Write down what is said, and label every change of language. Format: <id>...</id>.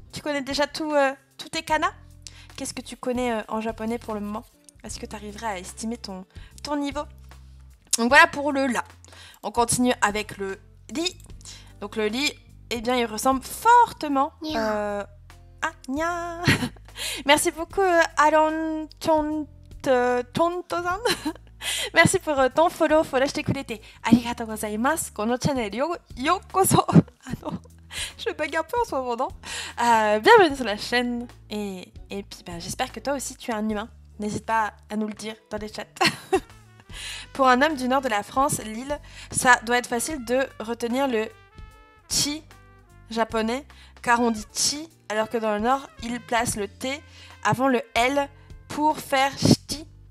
<fr>Tu connais déjà tous tes kanas? Qu'est-ce que tu connais en japonais pour le moment? Est-ce que tu arriverais à estimer ton niveau? Donc voilà pour le la. On continue avec le li. Donc le li. Eh bien, il ressemble fortement à Nya. Merci beaucoup, Aaron Tontozan. Merci pour ton follow, follow</fr> <ja>してくれてありがとうございます。このチャンネルようこそ。</ja> <fr>Je bague un peu en ce moment, non ? Bienvenue sur la chaîne. Et puis, bah, j'espère que toi aussi, tu es un humain. N'hésite pas à nous le dire dans les chats. Pour un homme du nord de la France, Lille, ça doit être facile de retenir le chi japonais, car on dit chi, alors que dans le nord, il place le T avant le L pour faire ch'ti.</fr>